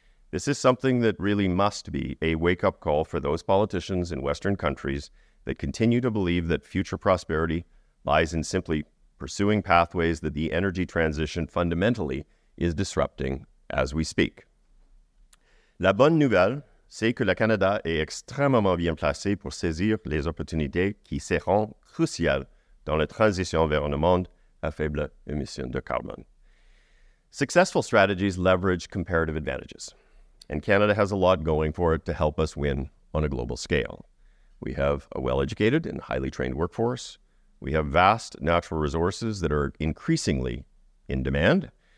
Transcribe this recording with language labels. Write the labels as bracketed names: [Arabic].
[English] This is something that really must be a wake-up call for those politicians in Western countries that continue to believe that future prosperity lies in simply pursuing pathways that the energy transition fundamentally is disrupting as we speak. [French] La bonne nouvelle, c'est que le Canada est extrêmement bien placé pour saisir les opportunités qui seront cruciales dans la transition vers un monde à faible émission de carbone. [English] Successful strategies leverage comparative advantages, and Canada has a lot going for it to help us win on a global scale. We have a well-educated and highly trained workforce. We have vast natural resources that are increasingly in demand.